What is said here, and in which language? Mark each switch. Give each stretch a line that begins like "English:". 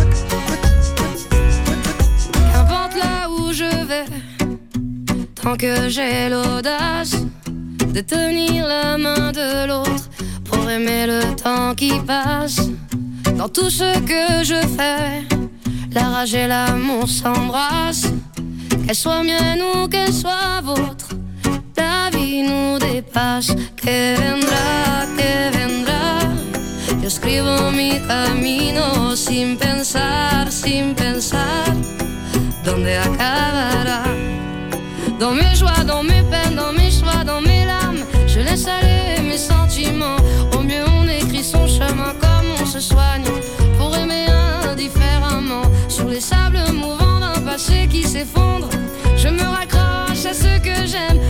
French: Qu'importe là où je vais, tant que j'ai l'audace de tenir la main de l'autre pour aimer le temps qui passe. Dans tout ce que je fais, la rage et l'amour s'embrassent. Qu'elle soit mienne ou qu'elle soit vôtre, la vie nous dépasse.
Spanish: Que vendrá, que vendrá. Yo escribo mi camino sin pensar, sin pensar. Dónde acabará.
French: Dans mes joies, dans mes peines, dans mes choix, dans mes larmes, je laisse aller mes sentiments. Au mieux on écrit son chemin comme on se soigne pour aimer indifféremment. Sur les sables mouvants d'un passé qui s'effondre, je me raccroche à ce que j'aime.